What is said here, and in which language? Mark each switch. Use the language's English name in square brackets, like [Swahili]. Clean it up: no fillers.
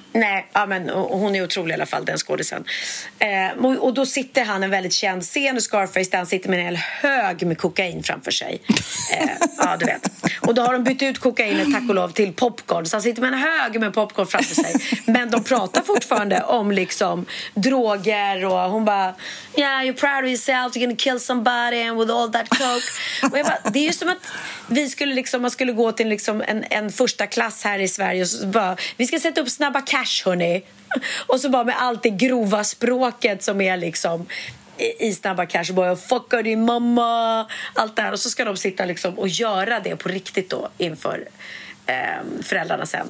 [Swedish] Nej, ja, men hon är otrolig i alla fall, den skådisen. Och då sitter han en väldigt känd scen i Scarface där han sitter med en hel hög med kokain framför sig. Ja, du vet. Och då har de bytt ut kokainet, tack och lov, till popcorn. Så han sitter med en hög med popcorn framför sig. Men de pratar fortfarande om liksom droger. Och hon bara, [English] yeah, you're proud of yourself, you're gonna kill somebody with all that coke. [Swedish] Och jag bara, det är ju som att vi skulle liksom, man skulle gå till liksom en första klass här i Sverige och bara, vi ska sätta upp Snabba Cash, hörni. Och så bara med allt det grova språket som är liksom i Snabba Cash. Bara, fuckar din mamma, allt det här. Och så ska de sitta liksom och göra det på riktigt då inför föräldrarna sen.